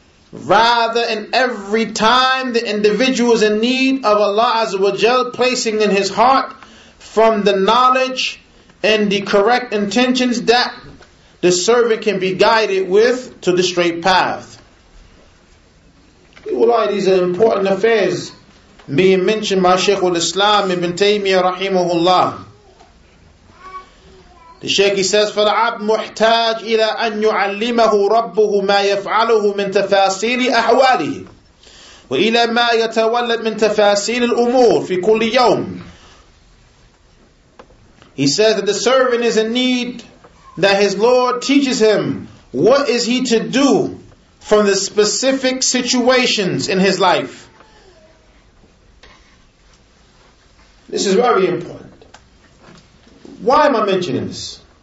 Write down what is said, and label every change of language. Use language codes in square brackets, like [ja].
[en] Rather, in every time the individual is in need of Allah Azza wa Jal placing in his heart from the knowledge and the correct intentions that the servant can be guided with to the straight path. These are important affairs being mentioned by Shaykh al-Islam Ibn Taymiyyah rahimahullah. The Shaykh, he says, [ar] فَالْعَبْدُ مُحْتَاجْ إِلَىٰ أَنْ يُعَلِّمَهُ رَبُّهُ مَا يَفْعَلُهُ مِنْ تَفَاصِيلِ أَحْوَالِهِ وَإِلَىٰ مَا يَتَوَلَّدْ مِنْ تَفَاصِيلِ الْأُمُورِ فِي كُلِّ يَوْمٍ. [en] He says that the servant is in need that his Lord teaches him what is he to do from the specific situations in his life. This is very important. Why am I mentioning this?